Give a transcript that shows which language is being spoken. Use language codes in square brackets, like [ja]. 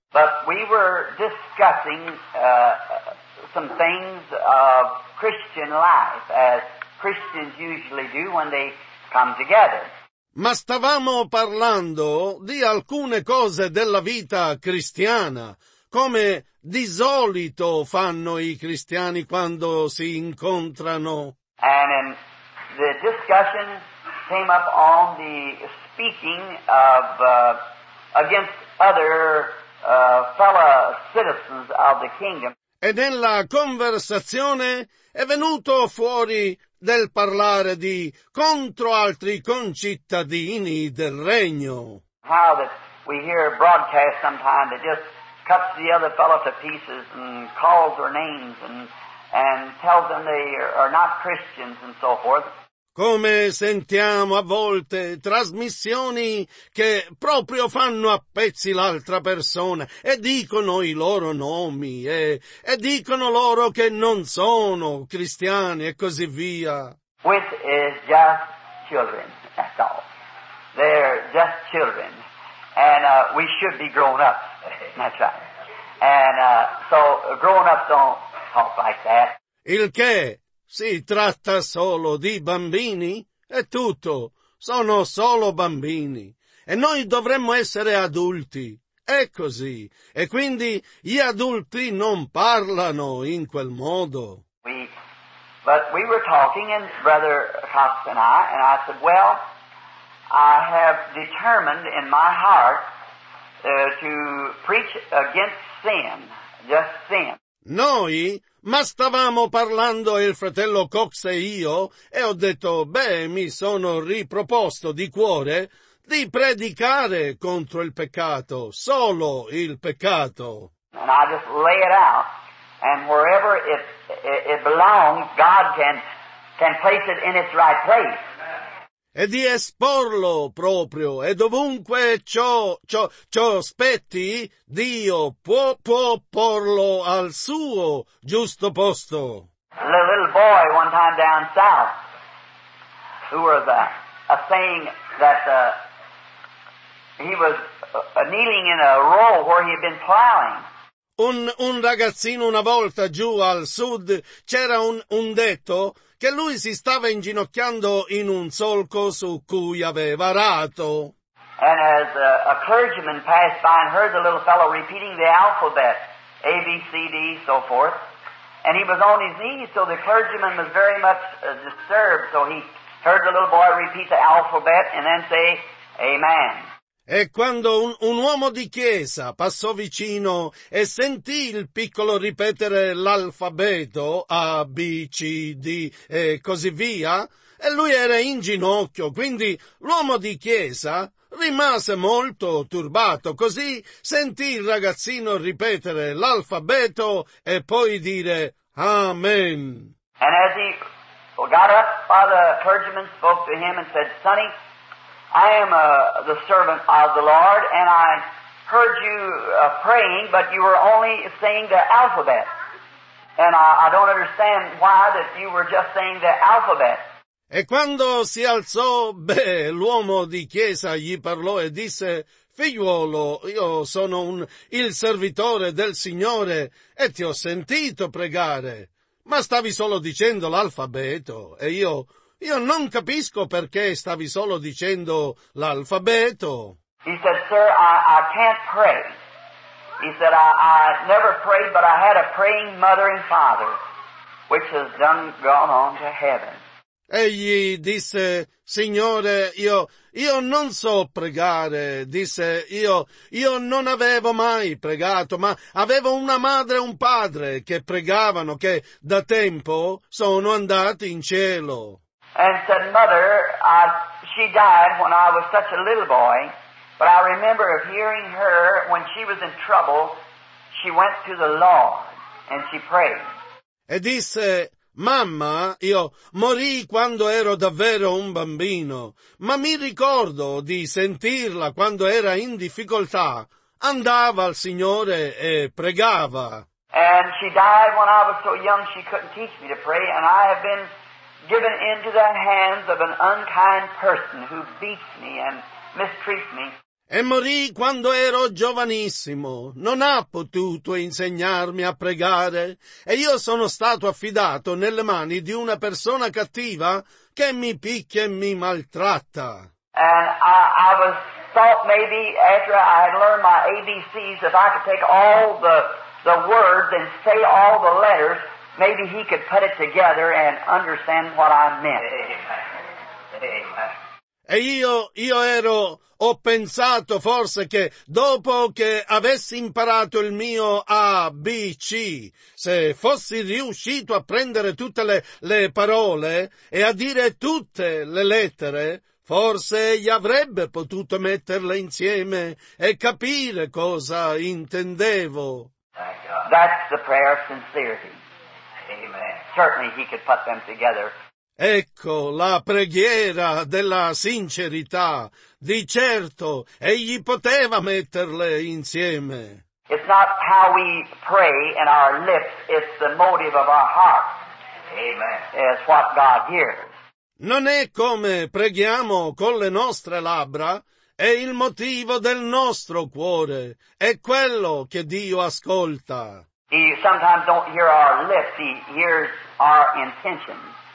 [en] But we were discussing some things of Christian life, as Christians usually do when they come together. [it] Ma stavamo parlando di alcune cose della vita cristiana, come di solito fanno i cristiani quando si incontrano. [en] And in the discussion came up on the speaking of against other fellow citizens of the kingdom. [it] E nella conversazione è venuto fuori del parlare di contro altri concittadini del regno. [en] How that we hear broadcast sometimes that just cuts the other fellow to pieces and calls their names and tell them they are not Christians and so forth. [it] Come sentiamo a volte trasmissioni che proprio fanno a pezzi l'altra persona e dicono i loro nomi e dicono loro che non sono cristiani e così via. [en] Which is just children, that's all. They're just children. And we should be grown up, that's right. And so grown up don't talk like that. [it] Il che? Si tratta solo di bambini, è tutto, sono solo bambini, e noi dovremmo essere adulti, è così, e quindi gli adulti non parlano in quel modo. [en] But we were talking, and Brother Cox and I said, well, I have determined in my heart to preach against sin, just sin. [it] Noi, ma stavamo parlando il fratello Cox e io, e ho detto, beh, mi sono riproposto di cuore di predicare contro il peccato, solo il peccato. [en] And I just lay it out, and wherever it belongs, God can place it in its right place. [it] E di esporlo proprio, e dovunque ciò spetti, Dio può porlo al suo giusto posto. [en] The little boy one time down south, who was a saying that he was kneeling in a row where he had been plowing. [it] Un ragazzino una volta giù al sud, c'era un detto che lui si stava inginocchiando in un solco su cui aveva arato. [en] And as a clergyman passed by and heard the little fellow repeating the alphabet, A, B, C, D, so forth, and he was on his knees, so the clergyman was very much disturbed, so he heard the little boy repeat the alphabet and then say, Amen. [it] E quando un uomo di chiesa passò vicino e sentì il piccolo ripetere l'alfabeto A, B, C, D e così via, e lui era in ginocchio, quindi l'uomo di chiesa rimase molto turbato, così sentì il ragazzino ripetere l'alfabeto e poi dire Amen. [en] And as he got up, Father clergyman spoke to him and said, Sonny, I am the servant of the Lord, and I heard you praying, but you were only saying the alphabet. And I don't understand why that you were just saying the alphabet. [it] E quando si alzò, beh, l'uomo di chiesa gli parlò e disse, figliuolo, io sono il servitore del Signore e ti ho sentito pregare, ma stavi solo dicendo l'alfabeto e io non capisco perché stavi solo dicendo l'alfabeto. [en] He said, sir, I can't pray. He said, I never prayed, but I had a praying mother and father, which has gone on to heaven. [it] Egli disse, Signore, io non so pregare, disse, io non avevo mai pregato, ma avevo una madre e un padre che pregavano, che da tempo sono andati in cielo. [en] And said, Mother, she died when I was such a little boy, but I remember of hearing her when she was in trouble, she went to the Lord and she prayed. [it] E disse, Mamma, io morì quando ero davvero un bambino, ma mi ricordo di sentirla quando era in difficoltà. Andava al Signore e pregava. [en] And she died when I was so young she couldn't teach me to pray, and I have been given into the hands of an unkind person who beats me and mistreats me. [it] E morì quando ero giovanissimo, non ha potuto insegnarmi a pregare, e io sono stato affidato nelle mani di una persona cattiva che mi picchia e mi maltratta. [en] And I was thought maybe after I had learned my ABCs, if I could take all the words and say all the letters, maybe he could put it together and understand what I meant. Amen. Amen. [it] E ho pensato forse che dopo che avessi imparato il mio ABC, se fossi riuscito a prendere tutte le parole e a dire tutte le lettere, forse egli avrebbe potuto metterle insieme e capire cosa intendevo. [en] That's the prayer of sincerity. Amen. Certainly he could put them together. [it] Ecco la preghiera della sincerità. Di certo, egli poteva metterle insieme. [en] It's not how we pray in our lips, it's the motive of our heart. Amen. It's what God hears. [it] Non è come preghiamo con le nostre labbra, è il motivo del nostro cuore, è quello che Dio ascolta. [en] He sometimes don't hear our lips, he hears our intentions.